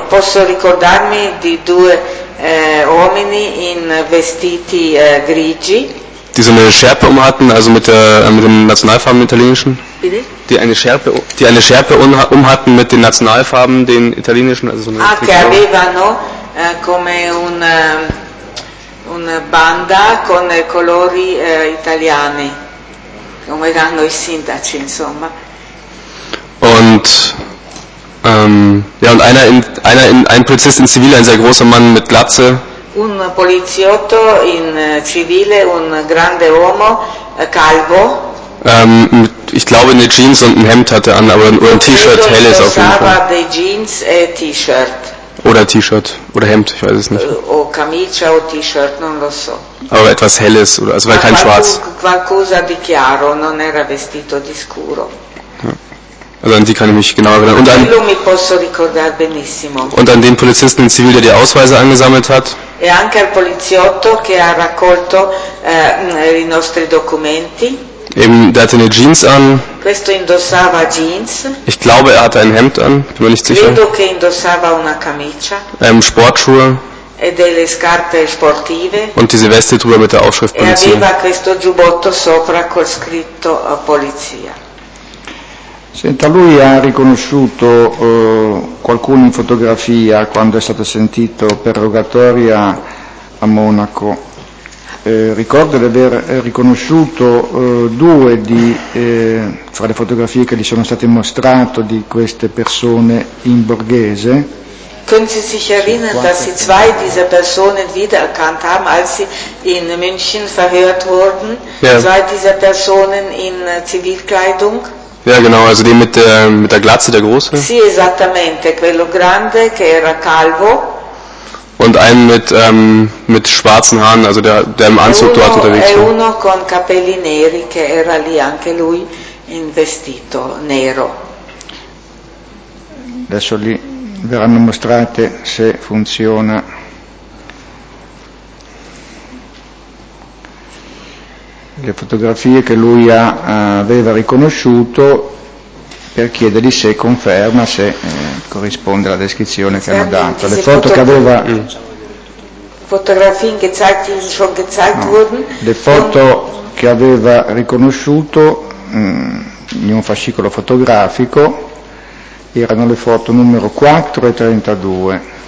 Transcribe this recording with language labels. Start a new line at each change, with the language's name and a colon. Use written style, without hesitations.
Italian: Posso ricordarmi di due uomini in vestiti grigi.
German: Die so eine Schärpe um hatten, also mit den Nationalfarben italienischen. Bitte? Die eine Schärpe um hatten mit den Nationalfarben, den italienischen. Also so eine
Italian: che avevano come una banda con i colori italiani. Come erano i sindaci, insomma.
German: Und und ein Polizist in Zivile, ein sehr großer Mann mit Glatze.
Italian: Un poliziotto in civile, un grande uomo, calvo.
German: Ich glaube, eine Jeans und ein Hemd hatte er an, aber ein T-Shirt, helles auf jeden Fall.
Italian: Dei Jeans e T-Shirt.
German: Oder T-Shirt oder Hemd, ich weiß es nicht.
Italian: O camicia o T-Shirt, non lo so.
German: Aber etwas Helles, oder, also kein Schwarz.
Italian: Qualcosa di chiaro, non era vestito di scuro.
German: Also an die kann ich mich genau erinnern. Und an,
Italian: mi posso ricordare benissimo.
German: Und an den Polizisten in Zivil, der die Ausweise angesammelt hat.
Italian: E anche al poliziotto che ha raccolto i nostri documenti.
German: Eben, der hatte eine Jeans an.
Italian: Questo indossava Jeans.
German: Ich glaube, er hatte ein Hemd an, bin mir nicht sicher.
Italian: Credo che indossava una camicia.
German: Sportschuhe.
Italian: E delle scarpe sportive.
German: Und diese Weste drüber mit der Aufschrift Polizia.
Italian: E aveva questo giubbotto sopra col scritto Polizia. Senta, lui ha riconosciuto qualcuno in fotografia quando è stato sentito per rogatoria a Monaco. Ricordo di aver riconosciuto due di fra le fotografie che gli sono state mostrate di queste persone in borghese.
German: Können Sie sich erinnern, dass Sie zwei dieser Personen wiedererkannt haben, als Sie in München verhört wurden? Ja. Zwei dieser Personen in Zivilkleidung? Ja, genau, also die mit der Glatze, der Große.
Italian: Sì, esattamente, quello grande che era calvo.
German: Und einen mit schwarzen Haaren, also der im Anzug dort unterwegs war.
Italian: E uno con capelli neri che era lì anche lui in vestito nero. Adesso lì verranno mostrate se funziona. Le fotografie che lui aveva riconosciuto per chiedergli se conferma se corrisponde alla descrizione che hanno dato. Le foto che aveva.
German: Fotografien gezeigt, die schon gezeigt wurden.
Italian: Le foto che aveva riconosciuto in un fascicolo fotografico erano le foto numero 4 e 32.